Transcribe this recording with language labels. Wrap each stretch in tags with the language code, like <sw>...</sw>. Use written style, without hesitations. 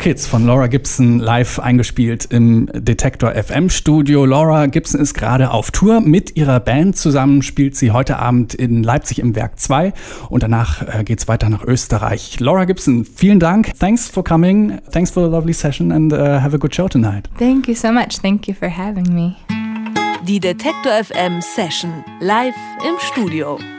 <de>Von Laura Gibson live eingespielt im Detektor FM Studio. Laura Gibson ist gerade auf Tour mit ihrer Band zusammen, spielt sie heute Abend in Leipzig im Werk 2 und danach geht's weiter nach Österreich.</de> <en>Laura Gibson,</en> <de>vielen Dank.</de> <en>Thanks for coming. Thanks for the lovely session and have a good show tonight. Thank you so much. Thank you for having me.</en> <de>Die Detektor FM Session live im Studio.</de>